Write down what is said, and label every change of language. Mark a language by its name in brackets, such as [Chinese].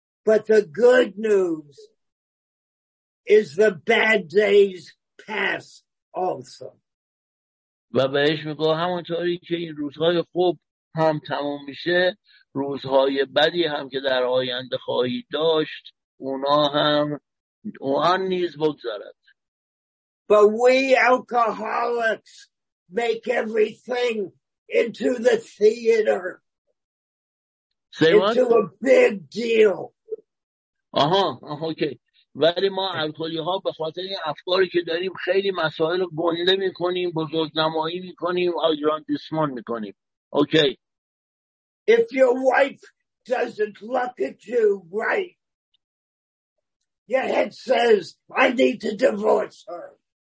[English] But the good news is the bad days pass also. [Persian] و بهش میگه همونطوری که این روزهای خوب هم تموم میشه، روزهای بدی هم که در آینده خواهی داشت اونا هم اون نیز بگذارد. [English] But we alcoholics make everything into the theater. Into a big deal. [Persian] آها آها اوکی. ولی ما الکلی ها به خاطر این افکاری که داریم خیلی مسائل رو گنده میکنیم، بزرگنمایی میکنیم، آگراندیسمان میکنیم. اوکی. [English] If your wife doesn't look at you right, your head says, I need to divorce her.